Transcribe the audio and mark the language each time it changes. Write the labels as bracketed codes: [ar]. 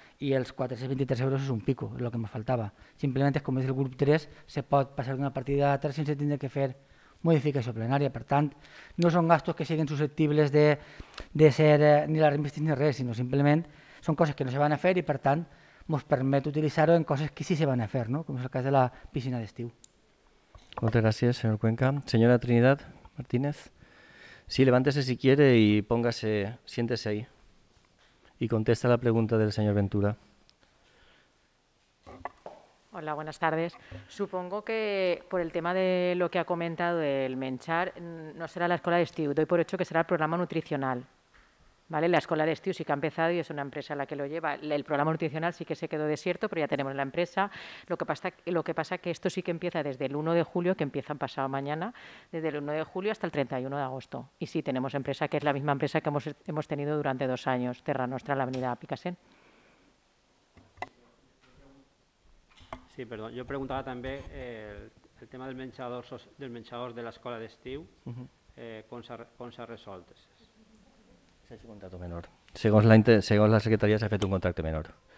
[ca] I els 423 euros és un pico, és el que em faltava. Simplement, com és el grup 3, se pot passar d'una partida a l'altra sense tindre que fer modificació plenària. Per tant, no són gastos que siguin susceptibles de ser ni la remistis ni res, sinó simplement són coses que no se van a fer i per tant ens permet utilitzar-ho en coses que sí se van a fer, no? Com és el cas de la piscina d'estiu. Moltes gràcies, senyor Cuenca. Senyora Trinidad Martínez. [es] Sí, levántese si quiere y póngase, siéntese ahí. Y contesta la pregunta del señor Ventura. Hola, buenas tardes. Supongo que por el tema de lo que ha comentado del Menchar, no será la escuela de estiu. Doy por hecho que será el programa nutricional. ¿Vale? La escuela de estiu sí que ha empezado y es una empresa la que lo lleva. El programa nutricional sí que se quedó desierto, pero ya tenemos la empresa. Lo que pasa es que esto sí que empieza desde el 1 de julio, que empiezan pasado mañana, desde el 1 de julio hasta el 31 de agosto. Y sí, tenemos empresa, que es la misma empresa que hemos tenido durante 2 años, Terra Nostra, la avenida Picassent. [ca] Sí, perdó. Jo preguntava també el tema dels menjadors de l'escola d'estiu, com s'ha resolt? S'ha fet un contracte menor. Segons la secretaria s'ha fet un contracte menor.